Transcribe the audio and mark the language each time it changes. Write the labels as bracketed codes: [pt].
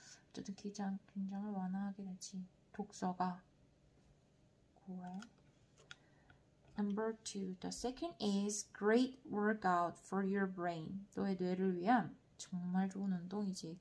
[ko] 어쨌든 긴장을 완화하게 되지. 독서가 고해. [en] Number two, the second is great workout for your brain. [ko] 너의 뇌를 위한 정말 좋은 운동이지.